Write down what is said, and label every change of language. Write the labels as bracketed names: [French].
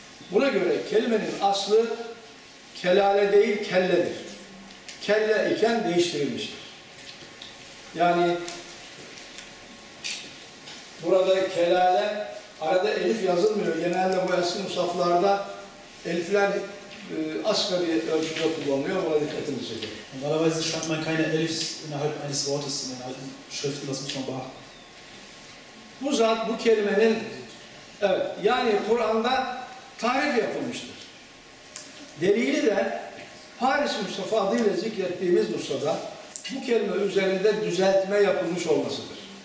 [Turkish] Buna göre kelimenin aslı kelale değil kelledir. Kelle iken değiştirilmiştir. Yani Burada kelale arada elif yazılmıyor. Genelde bu eski musaflarda elifler asgari ölçüde kullanılıyor. Buna dikkatimizi çekiyor. [German] Normalerweise schreibt man keine elifs innerhalb eines Wortes in den alten Schriften. Das muss man beachten. [Turkish] Bu zat, bu kelimenin, evet, yani Kur'an'da tarif yapılmıştır. Delili de Paris Mustafa adıyla zikrettiğimiz Musa'da bu kelime üzerinde düzeltme yapılmış olmasıdır.